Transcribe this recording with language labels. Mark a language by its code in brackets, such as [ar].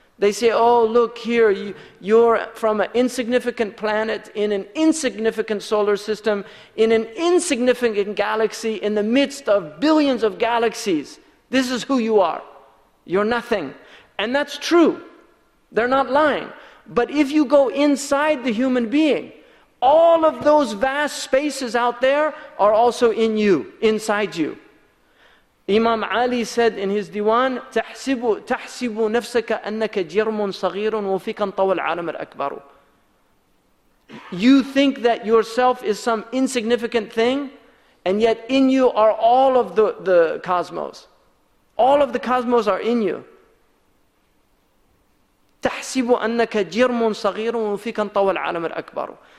[en] They say, oh, look here, you're from an insignificant planet in an insignificant solar system, in an insignificant galaxy, in the midst of billions of galaxies. This is who you are. You're nothing. And that's true. They're not lying. But if you go inside the human being, all of those vast spaces out there are also in you, inside you. Imam Ali said in his Diwan, [ar] تَحْسِبُ نَفْسَكَ أَنَّكَ جِرْمٌ صَغِيرٌ وَفِيكَنْ طَوَ الْعَالَمَ الْأَكْبَرُ. [en] You think that yourself is some insignificant thing, and yet in you are all of the cosmos. All of the cosmos are in you. [ar] تَحْسِبُ أَنَّكَ جِرْمٌ صَغِيرٌ وَفِيكَنْ طَوَ الْعَالَمَ الْأَكْبَرُ.